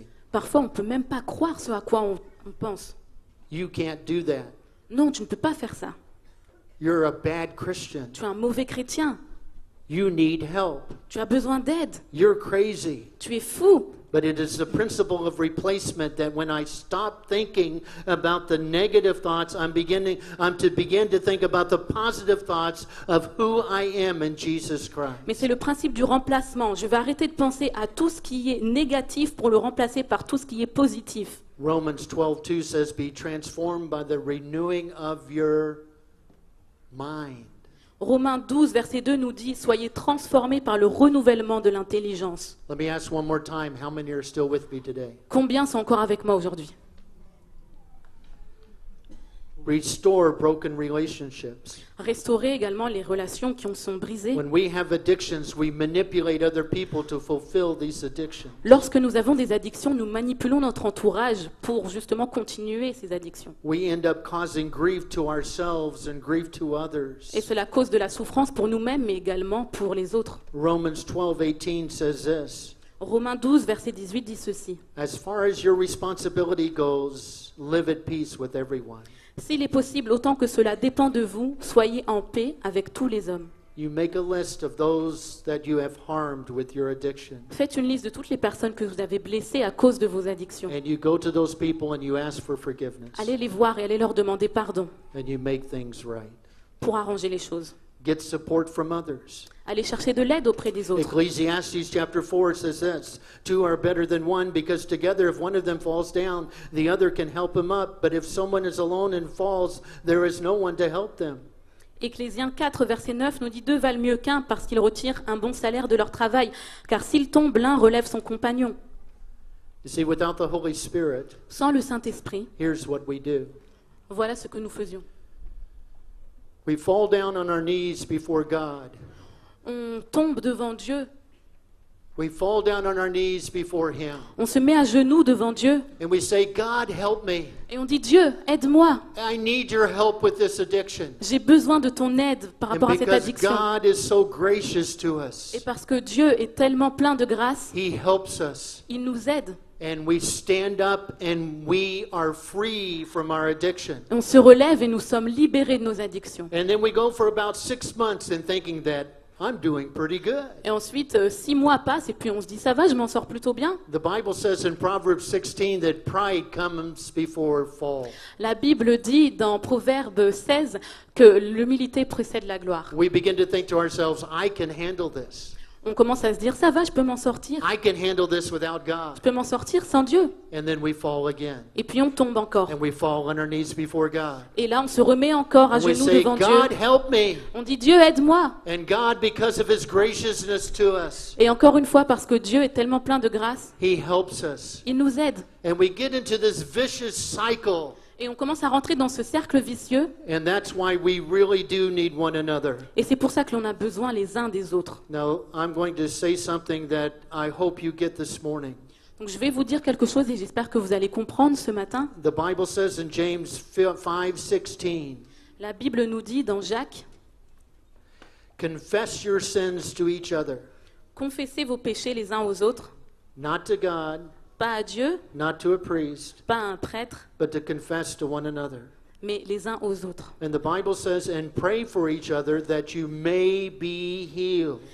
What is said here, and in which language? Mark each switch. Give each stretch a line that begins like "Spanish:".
French: Parfois, on ne peut même pas croire ce à quoi on pense.
English: You can't do that.
French: Non, tu ne peux pas faire ça.
English: You're a bad Christian.
French: Tu es un mauvais chrétien.
English: You need help.
French: Tu as besoin d'aide.
English: You're crazy.
French: Tu es fou.
English: But it is the principle of replacement that when I stop thinking about the negative thoughts, I'm to begin to think about the positive thoughts of who I am in Jesus Christ.
French: Mais c'est le principe du remplacement. Je vais arrêter de penser à tout ce qui est négatif pour le remplacer par tout ce qui est positif.
English: Romans 12:2 says, "Be transformed by the renewing of your mind."
French: Romains 12, verset 2 nous dit « Soyez transformés par le renouvellement de l'intelligence. »
English: Let me ask one more time, how many are still with me today?
French: Combien sont encore avec moi aujourd'hui?
English: Restore broken relationships.
French: Restaurer également les relations qui sont brisées.
English: When we have addictions, we manipulate other people to fulfill these addictions.
French: Lorsque nous avons des addictions, nous manipulons notre entourage pour justement continuer ces addictions.
English: We end up causing grief to ourselves and grief to others.
French: Et cela cause de la souffrance pour nous-mêmes mais également pour les autres.
English: Romans 12:18 says this.
French: Romains 12 verset 18 dit ceci.
English: As far as your responsibility goes, live at peace with everyone.
French: S'il est possible, autant que cela dépend de vous, soyez en paix avec tous les hommes.
English: You make a list of those that you have harmed with your addiction.
French: Faites une liste de toutes les personnes que vous avez blessées à cause de vos addictions.
English: And you go to those people and you ask for forgiveness.
French: Allez les voir et allez leur demander pardon.
English: And you make things right.
French: Pour arranger les choses.
English: Get support from others.
French: Allez chercher de l'aide auprès des autres.
English: Ecclesiastes chapter 4 says this: Two are better than one, because together, if one of them falls down, the other can help him up. But if someone is alone and falls, there is no one to help them.
French: Ecclésiens 4 verset 9 nous dit: Deux valent mieux qu'un parce qu'ils retirent un bon salaire de leur travail. Car s'il tombe, l'un relève son compagnon.
English: You see, without the Holy Spirit,
French: sans le Saint-Esprit,
English: here's what we do.
French: Voilà ce que nous faisions.
English: We fall down on our knees before God.
French: On tombe devant Dieu.
English: We fall down on our knees before him.
French: On se met à genoux devant Dieu.
English: And we say, God, help me.
French: Et on dit, Dieu, aide-moi.
English: I need your help with this addiction.
French: J'ai besoin de ton aide par rapport à cette addiction.
English: Because God is so gracious to us.
French: Et parce que Dieu est tellement plein de grâce.
English: He helps us.
French: Il nous aide.
English: And we stand up and we are free from our addiction.
French: On se relève et nous sommes libérés de nos addictions.
English: And then we go for about 6 months in thinking that I'm doing pretty good.
French: Et ensuite 6 mois passent et puis on se dit ça va, je m'en sors plutôt bien.
English: The Bible says in Proverbs 16 that pride comes before fall.
French: La Bible dit dans Proverbe 16 que l'humilité précède la gloire.
English: We begin to think to ourselves, I can handle this.
French: On commence à se dire, ça va, je peux m'en sortir.
English: I can handle this without God.
French: Je peux m'en sortir sans Dieu.
English: And then we fall again.
French: Et puis on tombe encore.
English: And we fall on our knees before God.
French: Et là, on se remet encore à
English: And
French: genoux
English: we say,
French: devant
English: God,
French: Dieu.
English: Help me.
French: On dit, Dieu, aide-moi.
English: And God, because of his graciousness to us,
French: et encore une fois, parce que Dieu est tellement plein de grâce,
English: he helps us.
French: Il nous aide.
English: And we get into this vicious cycle.
French: Et on commence à rentrer dans ce cercle vicieux.
English: And that's why we really do need one another.
French: Et c'est pour ça que l'on a besoin les uns des autres.
English: Now, I'm going to say something that I hope you get this morning.
French: Donc je vais vous dire quelque chose et j'espère que vous allez comprendre ce matin.
English: The Bible says in James 5:16.
French: La Bible nous dit dans Jacques.
English: Confess your sins to each other.
French: Confessez vos péchés les uns aux autres.
English: Not to God.
French: Pas à Dieu,
English: not to a priest,
French: pas à un prêtre,
English: but to confess to one another,
French: mais les uns aux autres.
English: And the Bible says, and pray for each other that you may be healed.